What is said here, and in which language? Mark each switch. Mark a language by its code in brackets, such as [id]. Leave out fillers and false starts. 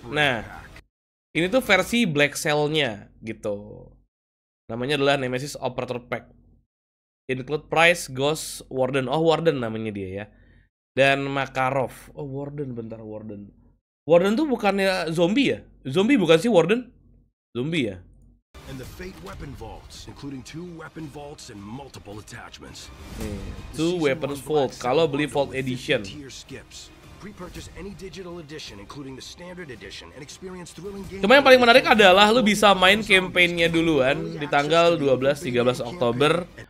[id] Nah, ini tuh versi Black Cell-nya gitu. Namanya adalah Nemesis Operator Pack. Include Price, Ghost, Warden. Oh, Warden namanya dia ya. Dan Makarov. Oh, Warden, bentar, Warden. Warden tuh bukannya zombie ya? Zombie bukan sih Warden? Zombie ya? [en] And the Fate weapon vaults, including two weapon vaults and multiple attachments. Two weapon vaults. [id] Kalau beli [en] vault edition. Pre-purchase any digital edition, including the standard edition, and experience thrilling game. [id] Cuma yang paling menarik adalah lu bisa main campaign-nya duluan di tanggal 12-13 Oktober.